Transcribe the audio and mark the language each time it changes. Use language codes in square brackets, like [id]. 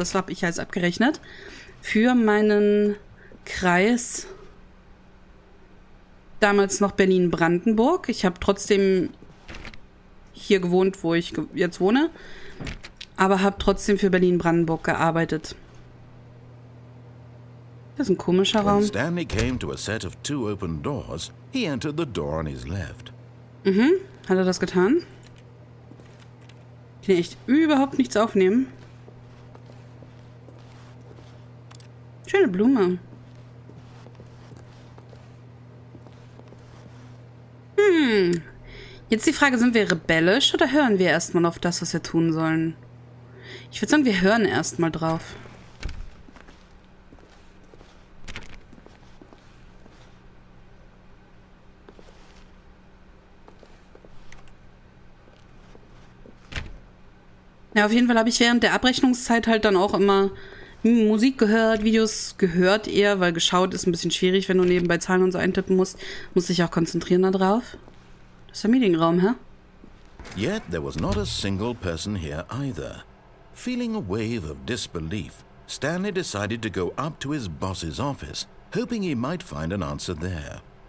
[de] Das habe ich alles abgerechnet. Für meinen Kreis... Damals noch Berlin-Brandenburg. Ich habe trotzdem hier gewohnt, wo ich jetzt wohne. Aber habe trotzdem für Berlin-Brandenburg gearbeitet. Das ist ein komischer Raum. [en] When Stanley came to a set of two open doors, he entered the door on his left. [de] Mhm, hat er das getan? Ich kann echt überhaupt nichts aufnehmen. Schöne Blume. Jetzt die Frage, sind wir rebellisch oder hören wir erstmal auf das, was wir tun sollen? Ich würde sagen, wir hören erstmal drauf. Ja, auf jeden Fall habe ich während der Abrechnungszeit halt dann auch immer Musik gehört, Videos gehört eher, weil geschaut ist ein bisschen schwierig, wenn du nebenbei Zahlen und so eintippen musst. Muss ich auch konzentrieren da drauf. Das ist der Meetingraum, hä? [en] Yet there was not a single person here either. Feeling a wave of disbelief, Stanley decided to go up to his boss's office, hoping he might find an answer there.